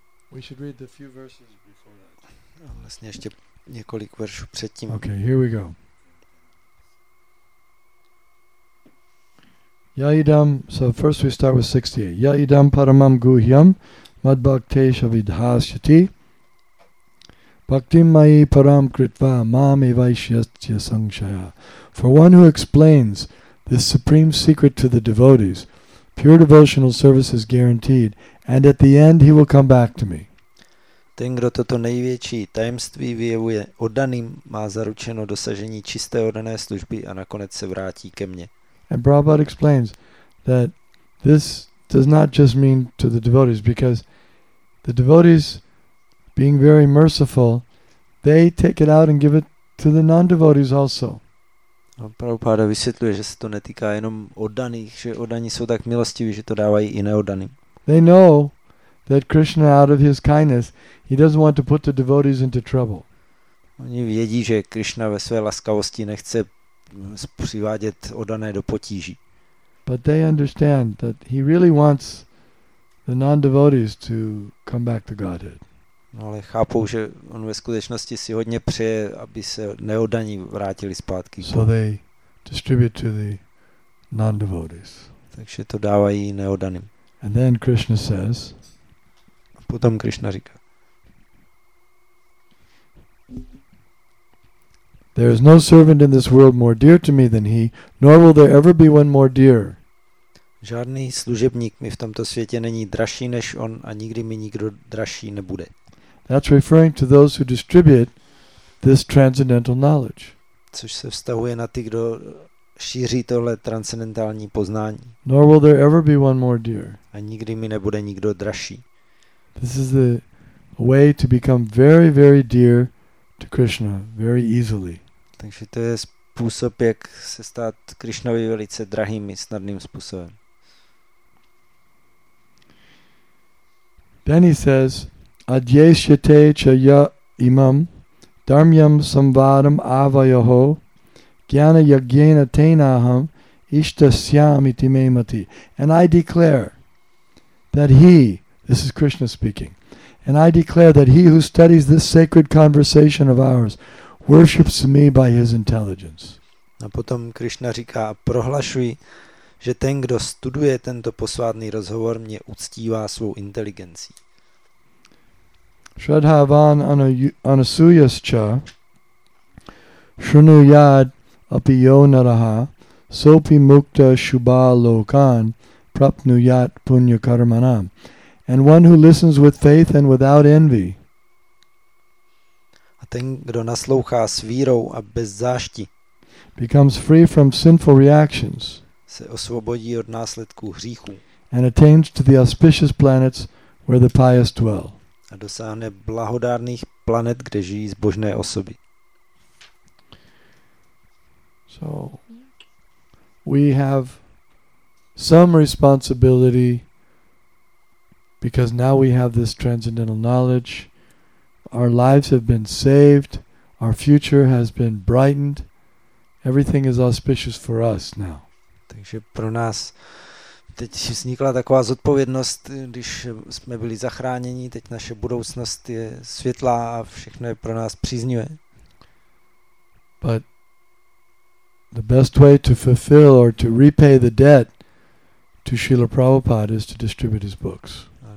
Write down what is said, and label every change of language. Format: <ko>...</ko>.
<en>We should read the few verses before that.</en> <cs>Vlastně ještě několik veršů předtím.</cs> <en>Okay, here we go.</en> <sa>Yaidam,</sa> <en>so first we start with 68.</en> <sa>Yaidam paramam guhyam madbhaktesha vidhasyati bhaktim mayi param kritva mam evaishyasya sangshaya.</sa> <en>For one who explains this supreme secret to the devotees, pure devotional service is guaranteed, and at the end he will come back to me.</en> <cs>Ten, kdo toto největší tajemství vyjevuje oddaným, má zaručeno dosažení čisté oddané služby a nakonec se vrátí ke mně.</cs> <en>And Prabhupada explains that this does not just mean to the devotees, because the devotees, being very merciful, they take it out and give it to the non-devotees also.</en> <cs>A Prabhupada vysvětluje, že se to netýká jenom oddaných, že oddaní jsou tak milostiví, že to dávají i neoddaným.</cs> <en>they know that Krishna, out of his kindness, he doesn't want to put the devotees into trouble.</en> <cs>Oni vědí, že Krishna ve své laskavosti nechce přivádět oddané do potíží.</cs> <en>But they understand that he really wants the non-devotees to come back to Godhead.</en> <cs>No, ale chápou, že on ve skutečnosti si hodně přeje, aby se neoddaní vrátili zpátky.</cs> <en>So they distribute to the non-devotees.</en> <cs>Takže to dávají neoddaným.</cs> <en>And then Krishna says.</en> <cs>A potom Krishna říká.</cs> <en>There is no servant in this world more dear to me than he, nor will there ever be one more dear.</en> <cs>Žádný služebník mi v tomto světě není dražší než on a nikdy mi nikdo dražší nebude.</cs> <en>That's referring to those who distribute this transcendental knowledge.</en> <cs>Což se vztahuje na ty, kdo šíří tohle transcendentální poznání.</cs> <en>Nor will there ever be one more dear.</en> <cs>A nikdy mi nebude nikdo dražší.</cs> <en>This is the way to become very, very dear to Krishna very easily.</en> <cs>Takže to je způsob, jak se stát Krishnovi velice drahým i snadným způsobem.</cs> <en>Then he says,</en> <sa>adyeshyate cha ya imam dharmyam samvadam avayaho gyana yagyena tenaham ishtasyam iti me mati.</sa> <en>And I declare that he, this is Krishna speaking, and I declare that he who studies this sacred conversation of ours worships me by his intelligence.</en> <cs>A potom Krishna říká, prohlašuji, že ten, kdo studuje tento posvátný rozhovor, mě uctívá svou inteligencí.</cs> <sa>Shradhavan anasuyascha shrunuyad api yo naraha sopi mukta shubha lokan prapnuyat punya karmanam.</sa> <en>And one who listens with faith and without envy.</en> <cs>A ten, kdo naslouchá s vírou a bez zášti,</cs> <en>becomes free from sinful reactions.</en> <cs>Se osvobodí od následků hříchů.</cs> <en>And attains to the auspicious planets where the pious dwell.</en> <cs>A dosáhne blahodárných planet, kde žijí zbožné osoby.</cs> <en>So we have some responsibility. Because now we have this transcendental knowledge, our lives have been saved, our future has been brightened, everything is auspicious for us now.</en> <cs>Takže pro nás teď vznikla taková zodpovědnost, když jsme byli zachráněni, teď naše budoucnost je světlá a všechno je pro nás příznivé.</cs> <en>But the best way to fulfill or to repay the debt to Srila Prabhupada is to distribute his books.</en>